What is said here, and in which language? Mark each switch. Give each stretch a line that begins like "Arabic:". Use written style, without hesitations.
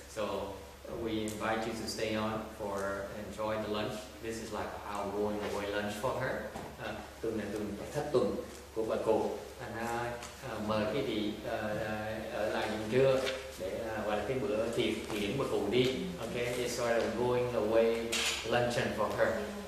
English: So we invite you to stay on for enjoy the lunch. This is like our going away lunch for her.
Vietnamese: Tuần này tuần thất tuần của bà cụ. Thành ra mời quý vị ở lại dùng trưa. Và cái bữa tiệc thì những bữa cùng đi.
English: Okay, it's sort of going away luncheon for her.